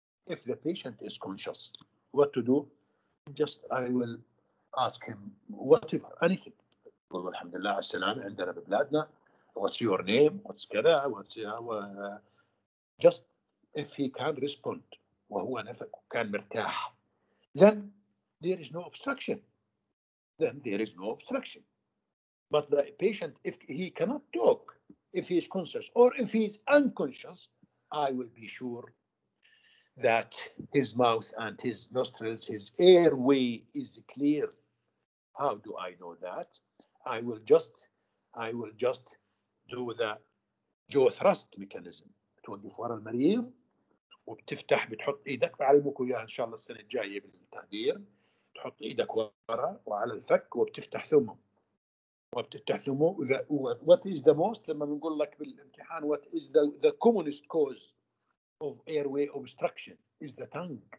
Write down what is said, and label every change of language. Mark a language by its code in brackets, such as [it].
[en] If the patient is conscious, what to do? Just I will ask him whatever, anything. [ar] قول الحمد لله على السلامة عندنا ببلادنا. [en] What's your name? What's [ar] كذا? [en] What's just if he can respond [ar] وهو نفق وكان مرتاح, [en] then there is no obstruction. Then there is no obstruction. But the patient, if he cannot talk, if he is conscious or if he is unconscious, I will be sure that his mouth and his nostrils, his airway is clear. How do I know that? I will just do the jaw thrust mechanism. [ar] تودي فورا المريض وبتفتح بتحط إيدك, بعلمك وياها إن شاء الله السنة الجاية بالتحضير, تحط إيدك ورا وعلى الفك وبتفتح ثمه. [en] What is the most, [ar] لما بنقول لك بالامتحان, [en] what is the commonest cause of airway obstruction? Is the tongue.